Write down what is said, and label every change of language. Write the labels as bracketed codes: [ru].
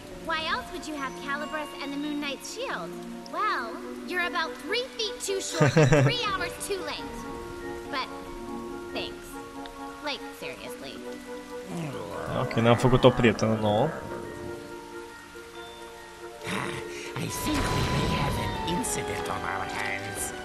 [en] Why else would you have Calibreth and the Moon Knight's shield? Well, you're about 3 feet too short, 3 hours too late. But thanks. Like seriously. [ro] Ok, ne-am făcut o prietenă nouă. [en] I think we may have an incident on our hands.